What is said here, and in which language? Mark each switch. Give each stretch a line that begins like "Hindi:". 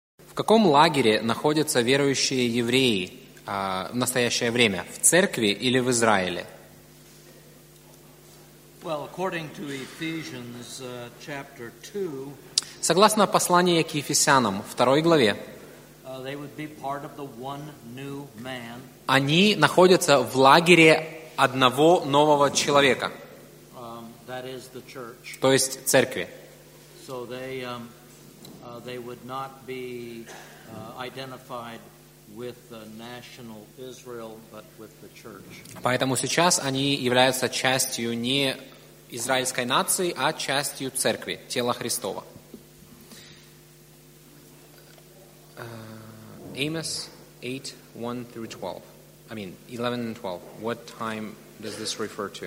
Russian: В каком лагере находятся верующие евреи в настоящее время? В церкви или в Израиле?
English: Well, according to Ephesians, chapter 2,
Russian: согласно посланию к Ефесянам, 2 главе,
English: they would be part of the one new man.
Russian: Они находятся в лагере одного нового человека,
English: that is the church.
Russian: То есть церкви.
English: So they, they would not be identified with the national Israel, but with the church.
Russian: Поэтому сейчас они являются частью не израильской нации, а частью церкви, тела Христова.
English: Amos 8, 1 through 12. I mean, 11 and 12. What time does this refer to?